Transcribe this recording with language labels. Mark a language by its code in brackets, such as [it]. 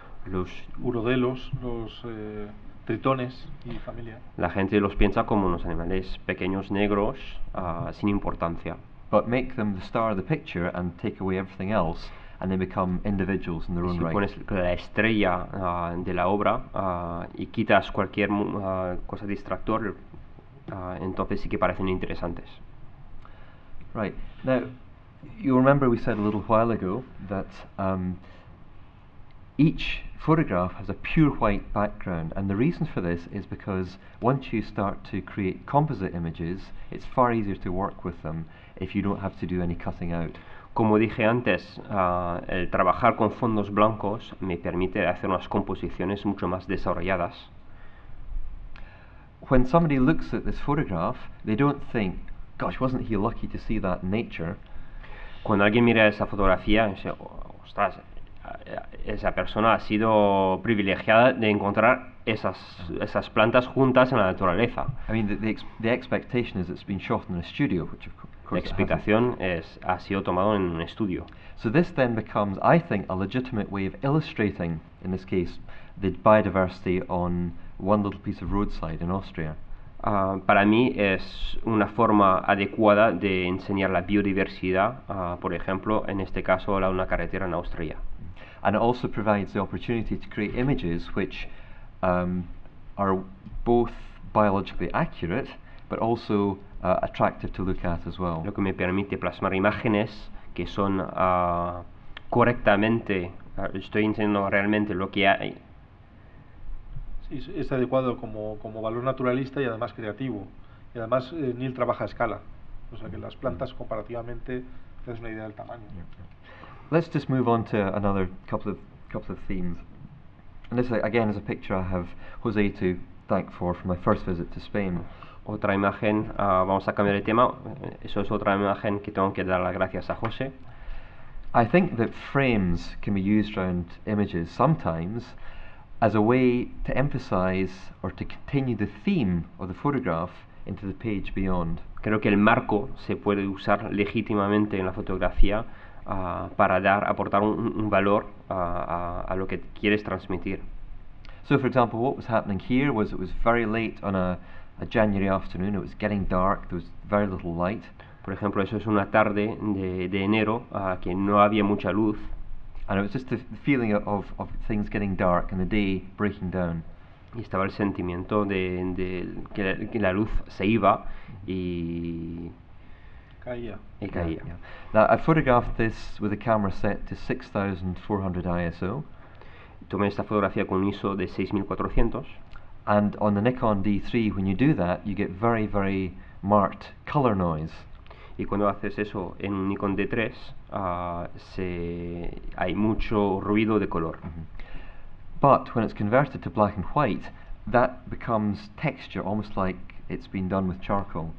[es] Los urodelos, los tritones y familia. La gente los piensa como unos animales pequeños negros sin importancia. [en] But make them the star of the picture and take away everything else and they become individuals in their own right. [es] Si pones la estrella de la obra y quitas cualquier cosa distractor, entonces sí que parecen interesantes. [en] Right. Now, you remember we said a little while ago that each photograph has a pure white background, and the reason for this is because once you start to create composite images, it's far easier to work with them if you don't have to do any cutting out. [es] Como dije antes, el trabajar con fondos blancos me permite hacer unas composiciones mucho más desarrolladas. [en] When somebody looks at this photograph, they don't think, gosh, wasn't he lucky to see that nature? [es] Cuando alguien mira esa fotografía, dice, ostras, esa persona ha sido privilegiada de encontrar esas plantas juntas en la naturaleza. [en] I mean, the expectation is it's been shot in a studio, which of course. [es] La explicación es ha sido tomado en un estudio. [en] So this then becomes, I think, a legitimate way of illustrating, in this case, the biodiversity on one little piece of roadside in Austria. [es] Para mí es una forma adecuada de enseñar la biodiversidad, por ejemplo, en este caso, la una carretera en Austria. [en] And it also provides the opportunity to create images which are both biologically accurate, but also attractive to look at as well. [es] Lo que me permite plasmar imágenes que son correctamente, estoy enseñando realmente lo que hay. Sí, es adecuado como valor naturalista y además creativo. Y además Neil trabaja a escala, o sea que las plantas comparativamente es una idea del tamaño. [en] Let's just move on to another couple of themes. And this again is a picture I have José to thank for from my first visit to Spain. [es] Otra imagen, vamos a cambiar de tema. Eso es otra imagen que tengo que dar las gracias a José. [en] I think that frames can be used around images sometimes as a way to emphasize or to continue the theme of the photograph into the page beyond. [es] Creo que el marco se puede usar legítimamente en la fotografía para aportar un valor a lo que quieres transmitir. [en] So for example, what was happening here was it was very late on a January afternoon, it was getting dark, there was very little light. [es] Por ejemplo, eso es una tarde de enero que no había mucha luz. [en] And it was just the feeling of things getting dark and the day breaking down. [es] Y estaba el sentimiento de que la luz se iba y caía. [en] Yeah, yeah. Now, I photographed this with a camera set to 6400 ISO. [es] Tomé esta fotografía con un ISO de 6400. [en] And on the Nikon D3, when you do that, you get very, very marked color noise. [es] Y cuando haces eso en un Nikon D3, hay mucho ruido de color. Mm-hmm. [en] But when it's converted to black and white, that becomes texture, almost like it's been done with charcoal.